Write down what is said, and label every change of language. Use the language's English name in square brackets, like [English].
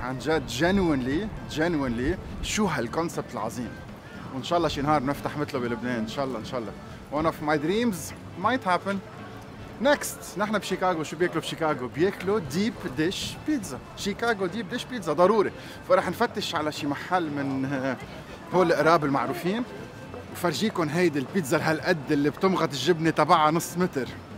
[Arabic] عن جد genuinely genuinely شو هالكونسبت العظيم. وان شاء الله شي نهار نفتح مثله بلبنان. ان شاء الله ان شاء الله. [English] One of my dreams might happen. Next. [Arabic] نحن بشيكاغو. شو بياكلوا بشيكاغو؟ بياكلوا ديب ديش بيتزا. شيكاغو ديب ديش بيتزا ضروري. فرح نفتش على شي محل من هول القراب المعروفين وفرجيكم هيدي البيتزا هالقد اللي بتمغط الجبنة تبعها نص متر.